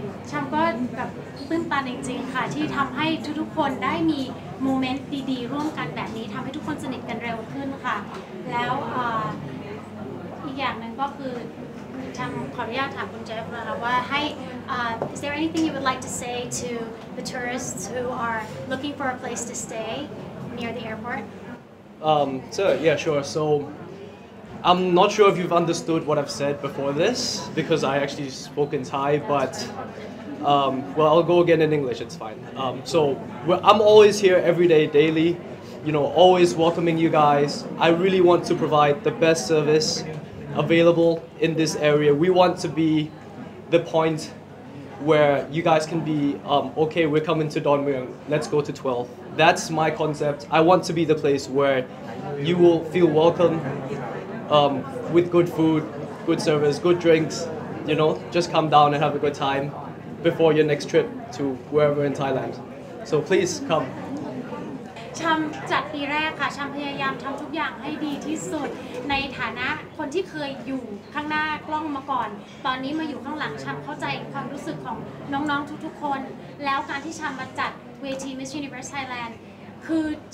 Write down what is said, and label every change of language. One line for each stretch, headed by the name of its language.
Thai: ชามก็แบบตื่นตันจริงๆค่ะที่ทำให้ทุกๆคนได้มีโมเมนต์ดีๆร่วมกันแบบนี้ทำให้ทุกคนสนิทกันเร็วขึ้นค่ะแล้ว อีกอย่างนึงก็คือทางขออนุญาตถามคุณเจฟนะคะว่าให้
English: is there anything you would like to say to the tourists who are looking for a place to stay near the airport so yeah sure soI'm not sure if you've understood what I've said before this because I actually spoke in Thai, but well, I'll go again in English. It's fine. So I'm always here every day, daily, you know, always welcoming you guys. I really want to provide the best service available in this area. We want to be the point where you guys can be okay. We're coming to Don Mueang. Let's go to 12. That's my concept. I want to be the place where you will feel welcome. With good food, good service, good drinks, you know, just come down and have a good time before your next trip to wherever in Thailand. So please come.
Thai: ชัมจัดปีแรกค่ะชัมพยายามทำทุกอย่างให้ดีที่สุดในฐานะคนที่เคยอยู่ข้างหน้ากล้องมาก่อนตอนนี้มาอยู่ข้างหลังชัมเข้าใจความรู้สึกของน้องๆทุกๆคนแล้วการที่ชัมมาจัดเวที Miss Universe Thailandคือ